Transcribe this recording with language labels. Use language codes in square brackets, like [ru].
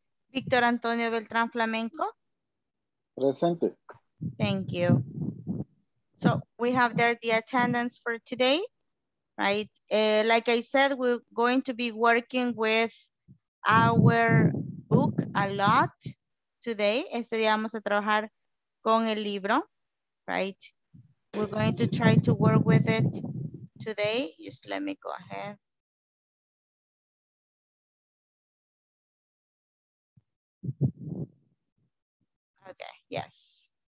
[es] Víctor Antonio Beltrán Flamenco. Presente. [en] Thank you. So we have there the attendance for today. Right. Like I said, we're going to be working with our book a lot today. [es] Este día vamos a trabajar con el libro. [en] Right. We're going to try to work with it today. Just let me go ahead. Okay. Okay, yes.